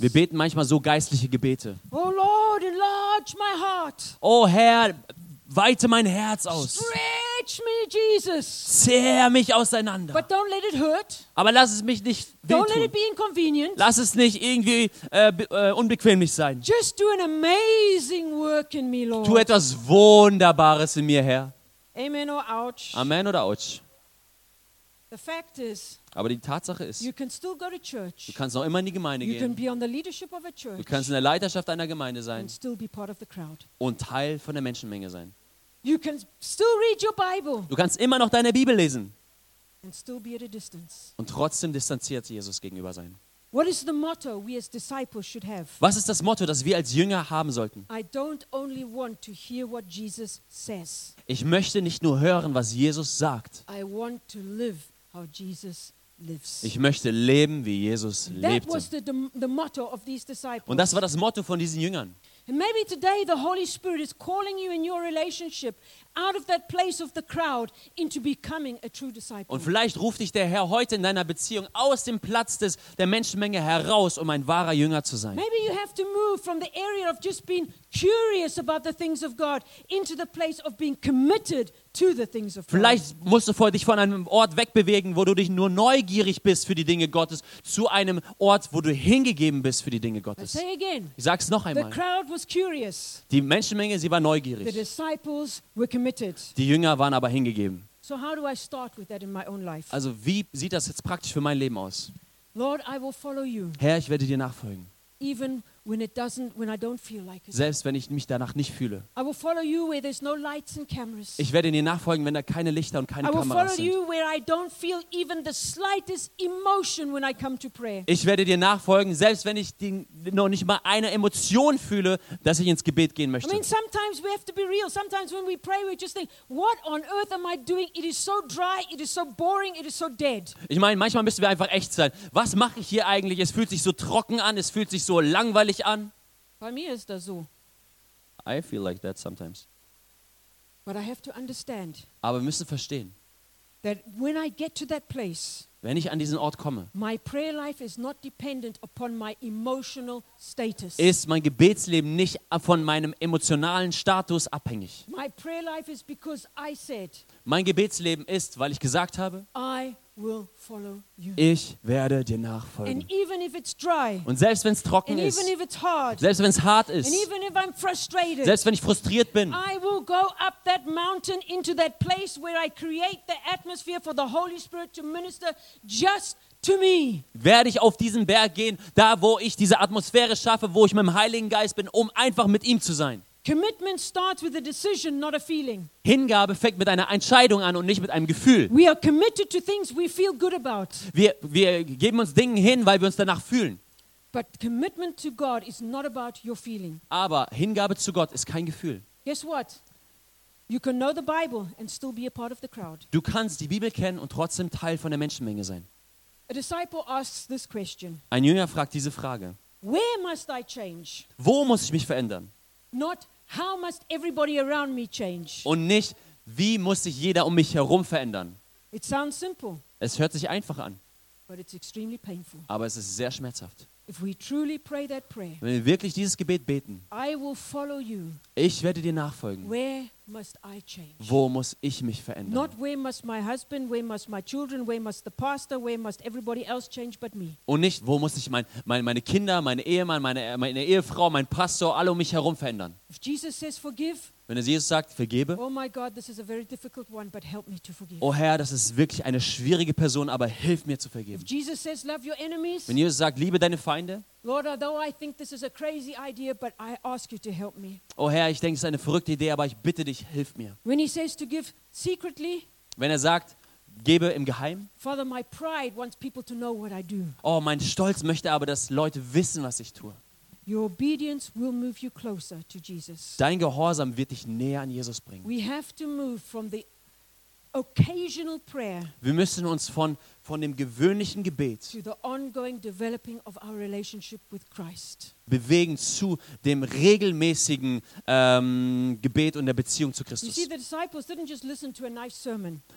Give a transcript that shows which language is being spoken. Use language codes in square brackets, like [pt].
[de] Wir beten manchmal so geistliche Gebete. [en] Oh Lord, enlarge my heart. [de] Oh Herr, weite mein Herz aus. [en] Stretch me, Jesus. [de] Zerr mich auseinander. [en] But don't let it hurt. [de] Aber lass es mich nicht wehtun. [en] Don't let it be inconvenient. [de] Lass es nicht irgendwie unbequemlich sein. [en] Just do an amazing work in me, Lord. [de] Tu etwas Wunderbares in mir, Herr. [en] Amen or ouch. [de] Amen oder ouch. [en] The fact is, [de] aber die Tatsache ist, [en] you can still go to church. [de] Du kannst noch immer in die Gemeinde [en] you [de] gehen. [en] Can be on the leadership of a church. [de] Du kannst in der Leiterschaft einer Gemeinde sein. [en] And still be part of the crowd. [de] Und Teil von der Menschenmenge sein. [en] You can still read your Bible. [de] Du kannst immer noch deine Bibel lesen. [en] And still be at a distance. [de] Und trotzdem distanziert Jesus gegenüber sein. [en] What is the motto we as disciples should have? [de] Was ist das Motto, das wir als Jünger haben sollten? [en] I don't only want to hear what Jesus says. [de] Ich möchte nicht nur hören, was Jesus sagt. [en] I want to live how Jesus lives. [de] Ich möchte leben, wie Jesus lebte. [en] That was the motto of these disciples. [de] Und das war das Motto von diesen Jüngern. [en] And maybe today the Holy Spirit is calling you in your relationship out of that place of the crowd into becoming a true disciple. [de] Und vielleicht ruft dich der Herr heute in deiner Beziehung aus dem Platz der Menschenmenge heraus, um ein wahrer Jünger zu sein. [en] Maybe you have to move from the area of just being curious about the things of God into the place of being committed to the things of God. [de] Vielleicht musst du dich von einem Ort wegbewegen, wo du dich nur neugierig bist für die Dinge Gottes, zu einem Ort, wo du hingegeben bist für die Dinge Gottes. [en] Say again. [de] Ich sag's noch einmal. [en] The crowd was curious. [de] Die Menschenmenge, sie war neugierig. [en] The disciples were committed. [de] Die Jünger waren aber hingegeben. [en] So how do I start with that in my own life? [de] Also wie sieht das jetzt praktisch für mein Leben aus? [en] Lord, I will follow you. [de] Herr, ich werde dir nachfolgen. [en] Even when it doesn't, when I don't feel like it. [de] Selbst wenn ich mich danach nicht fühle. [en] I will follow you where there's no lights and cameras. [de] Ich werde dir nachfolgen, wenn da keine Lichter und keine Kameras sind. [en] I will follow you where I don't feel even the slightest emotion when I come to prayer. [de] Ich werde dir nachfolgen, selbst wenn ich noch nicht mal eine Emotion fühle, dass ich ins Gebet gehen möchte. [en] I mean, sometimes we have to be real. Sometimes when we pray, we just think, what on earth am I doing? It is so dry, it is so boring, it is so dead. [de] Ich meine, manchmal müssen wir einfach echt sein. Was mache ich hier eigentlich? Es fühlt sich so trocken an, es fühlt sich so langweilig an. Bei mir ist das so. [en] I feel like that sometimes. But I have to understand. [de] Aber wir müssen verstehen. [en] That when I get to that place. [de] Wenn ich an diesen Ort komme. [en] My prayer life is not dependent upon my emotional status. [de] Ist mein Gebetsleben nicht von meinem emotionalen Status abhängig? [en] My prayer life is because I said. [de] Mein Gebetsleben ist, weil ich gesagt habe. [en] I will follow you. [de] Ich werde dir nachfolgen. [en] And even if it's dry, [de] und selbst wenn es trocken [en] and [de] ist, [en] even if it's hard, [de] selbst wenn es hart ist, [en] and even if I'm frustrated, [de] selbst wenn ich frustriert bin, [en] I will go up that mountain into that place where I create the atmosphere for the Holy Spirit to minister just to me. [de] Werde ich auf diesen Berg gehen, da wo ich diese Atmosphäre schaffe, wo ich mit dem Heiligen Geist bin, um einfach mit ihm zu sein. [en] Commitment starts with a decision, not a feeling. [de] Hingabe fängt mit einer Entscheidung an und nicht mit einem Gefühl. [en] We are committed to things we feel good about. [de] Wir geben uns Dingen hin, weil wir uns danach fühlen. [en] But commitment to God is not about your feeling. [de] Aber Hingabe zu Gott ist kein Gefühl. [en] Guess what? You can know the Bible and still be a part of the crowd. [de] Du kannst die Bibel kennen und trotzdem Teil von der Menschenmenge sein. [en] A disciple asks this question. [de] Ein Jünger fragt diese Frage. [en] Where must I change? [de] Wo muss ich mich verändern? [en] Not how must everybody around me change. [de] Und nicht, wie muss sich jeder um mich herum verändern. [en] It sounds simple, [de] es hört sich einfach an. [en] But it's extremely painful. [de] Aber es ist sehr schmerzhaft. [en] If we truly pray that prayer, [de] wenn wir wirklich dieses Gebet beten, [en] I will follow you, [de] ich werde dir nachfolgen, [en] where must I change? [de] Wo muss ich mich verändern? [en] Not where must my husband, where must my children, where must the pastor, where must everybody else change but me? [de] Und nicht, wo muss ich meine Kinder, mein Ehemann, meine Ehefrau, mein Pastor, alle um mich herum verändern? [en] If Jesus says forgive, [de] wenn es Jesus sagt, vergebe, [en] oh my God, this is a very difficult one, but help me to forgive. [de] Oh Herr, das ist wirklich eine schwierige Person, aber hilf mir zu vergeben. [en] If Jesus says love your enemies, [de] wenn Jesus sagt, liebe deine Feinde, [en] Lord, although I think this is a crazy idea, but I ask you to help me. [de] Oh Herr, ich denke, es ist eine verrückte Idee, aber ich bitte dich, hilf mir. [en] When he says to give secretly, [de] wenn er sagt, gebe im Geheim. [en] Father, my pride wants people to know what I do. [de] Oh, mein Stolz möchte aber, dass Leute wissen, was ich tue. [en] Your obedience will move you closer to Jesus. [de] Dein Gehorsam wird dich näher an Jesus bringen. [en] We have to move from the occasional prayer. [de] Wir müssen uns von dem gewöhnlichen Gebet [en] to the ongoing developing of our relationship with Christ. [de] Bewegen zu dem regelmäßigen Gebet und der Beziehung zu Christus. [en] You see, the disciples didn't just listen to a nice sermon.